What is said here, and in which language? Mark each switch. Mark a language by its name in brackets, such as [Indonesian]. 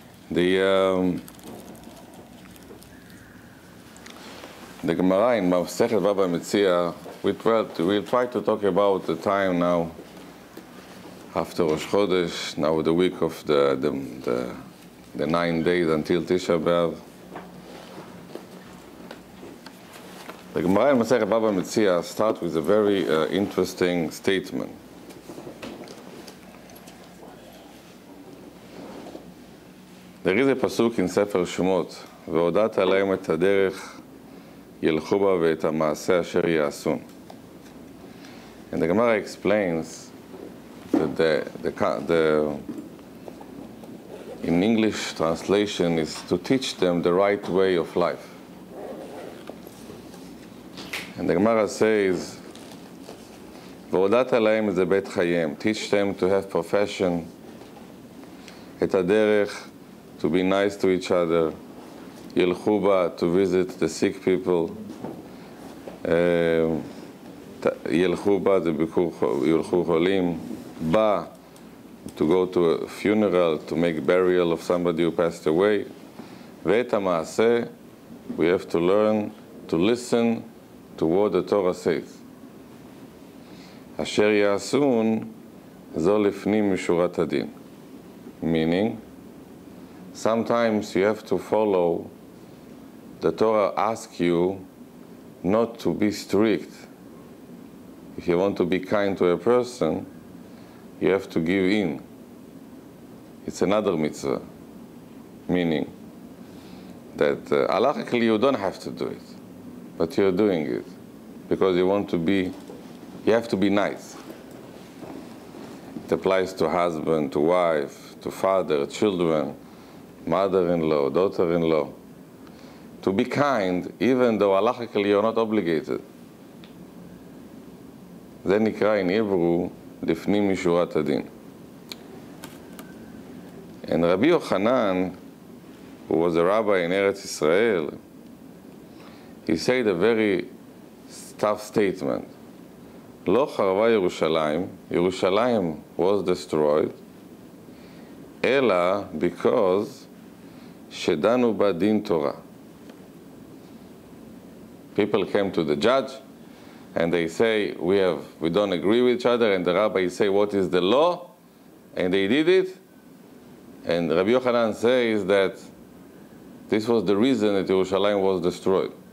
[English] The Gemara in Masechet Baba Metzia, we'll try to talk about the time now after Rosh Chodesh, now the week of the 9 days until Tisha B'Av. The Gemara in Masechet Baba Metzia starts with a very interesting statement. There is a pasuk in Sefer Shemot, [Hebrew] ועודת עליהם את הדרך ילכו בה ואת המעשה אשר יעשו. [English] And the Gemara explains that in English translation is to teach them the right way of life. And the Gemara says, [Hebrew] ועודת עליהם זה בית חייהם, [English] teach them to have profession, [Hebrew] את הדרך, [English] to be nice to each other, [Hebrew] ילכו בה, [English] to visit the sick people, [Hebrew] ילכו בה, זה ביקור, ילכו חולים, בה, [English] to go to a funeral, to make burial of somebody who passed away, [Hebrew] ואת המעשה, [English] we have to learn to listen to what the Torah says. [Hebrew] אשר יעשון, זו לפנים משורת הדין. [English] Meaning, sometimes you have to follow the Torah asks you not to be strict. If you want to be kind to a person, you have to give in. It's another mitzvah, meaning that halachically you don't have to do it, but you're doing it because you want to be, you have to be nice. It applies to husband, to wife, to father, children, mother-in-law, daughter-in-law, to be kind, even though halachically you're not obligated. [Hebrew] זה נקרא [English] in Hebrew, [Hebrew] לפנים משורת הדין. [English] And Rabbi Yochanan, who was a rabbi in Eretz Israel, he said a very tough statement. [Hebrew] לא חרבה ירושלים, ירושלים [English] was destroyed, [Hebrew] אלא [English] because [Hebrew] שדנו בה דין תורה. [English] People came to the judge and they say, we don't agree with each other, and the rabbi say, what is the law? And they did it. And Rabbi Yochanan says that this was the reason that Yerushalayim was destroyed.